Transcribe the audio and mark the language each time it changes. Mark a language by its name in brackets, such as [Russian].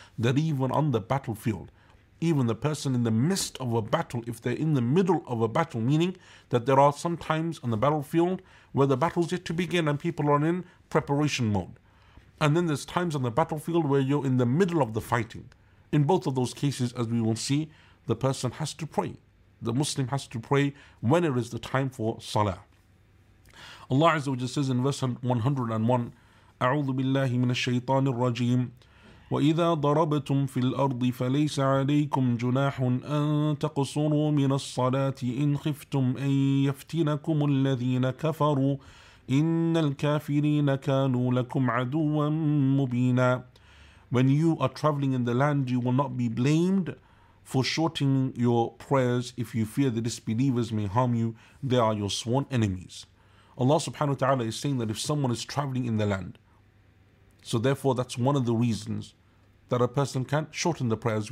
[English] That even on the battlefield, even the person in the midst of a battle, if they're in the middle of a battle, meaning that there are some times on the battlefield where the battle's yet to begin and people are in preparation mode. And then there's times on the battlefield where you're in the middle of the fighting. In both of those cases, as we will see, the person has to pray. The Muslim has to pray when it is the time for salah. Allah Azza wa Jalla says in verse 101, [Arabic] أَعُوذُ بِاللَّهِ مِنَ الشَّيْطَانِ الرَّجِيمِ وَإِذَا ضَرَبْتُمْ فِي الْأَرْضِ فَلَيْسَ عَلَيْكُمْ جُنَاحٌ أَن تَقْصُرُوا مِنَ الصَّلَاةِ إِنْ خِفْتُمْ أَن يَفْتِنَكُمُ الَّذِينَ كَفَرُوا إن الكافرين كانوا لكم عدوا مبينا. [English] When you are traveling in the land, you will not be blamed for shorting your prayers if you fear the disbelievers may harm you. They are your sworn enemies. Allah subhanahu wa ta'ala is saying that if someone is traveling in the land, so therefore that's one of the reasons that a person can shorten the prayers.